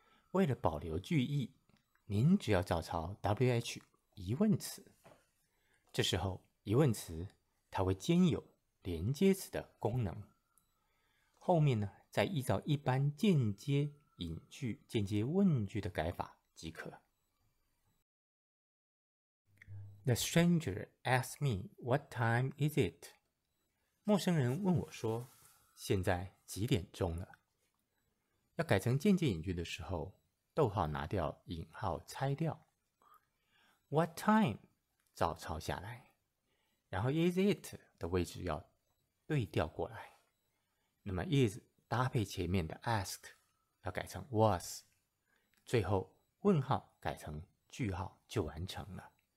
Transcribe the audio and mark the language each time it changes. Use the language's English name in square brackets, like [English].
[Chinese] 为了保留句意，您只要照抄 WH 疑问词，这时候疑问词它会兼有连接词的功能，后面呢再依照一般间接引句间接问句的改法即可。 [English] The stranger asked me what time is it? [Chinese] 陌生人问我说现在几点钟了。要改成间接引句的时候，逗号拿掉，引号拆掉。 [English] What time? [Chinese] 照抄下来然后 is it 的位置要对调过来，那么 is 搭配前面的 ask 要改成 was， 最后问号改成句号就完成了。